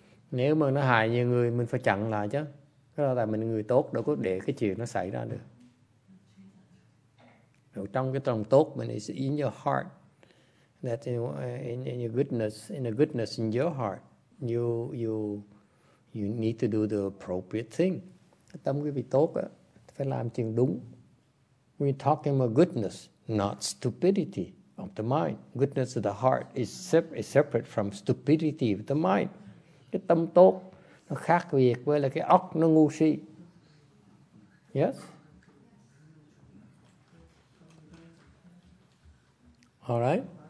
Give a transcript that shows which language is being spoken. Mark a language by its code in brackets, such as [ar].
[vi] Nếu mà nó hại nhiều người, mình phải chặn lại chứ. Cái đó là mình người tốt, đâu có để cái chuyện nó xảy ra được. Rồi trong cái lòng tốt mình, [en] it's in your heart. That in your goodness in your heart, you need to do the appropriate thing. [vi] Tâm quý vị tốt á, phải làm chuyện đúng. [en] We're talking about goodness, not stupidity of the mind. Goodness of the heart is separate from stupidity of the mind. [vi] Cái tâm tốt nó khác biệt với là cái óc nó ngu si. Yes? [en] All right?